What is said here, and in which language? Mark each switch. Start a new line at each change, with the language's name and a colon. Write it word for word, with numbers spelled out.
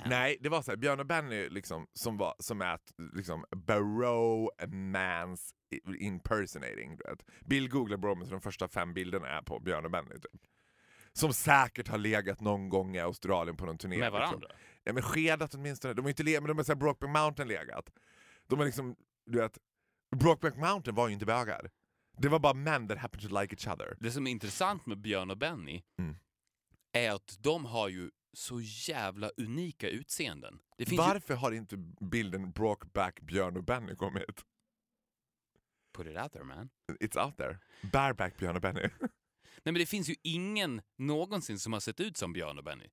Swedish: Nej, det var så här, Björn och Benny liksom som var som är liksom Barrow Mans impersonating, du vet. Bill googlar Bromance, de första fem bilderna är på Björn och Benny typ. Som säkert har legat någon gång i Australien på någon turné med varandra. Liksom. Ja, men skedat åtminstone. De är inte le, men de är så här Brokeback Mountain legat. De är liksom, du vet, Brokeback Mountain var ju inte bögar. Det var bara män
English: that happened to like each other.
Swedish: Det som är intressant med Björn och Benny mm. är att de har ju så jävla unika utseenden. Det finns Varför ju... har inte bilden Brokeback Björn och Benny kommit?
English: Put it out there, man. It's out there.
Swedish: Bareback Björn och Benny. Nej, men det finns ju ingen någonsin som har sett ut som Björn och Benny.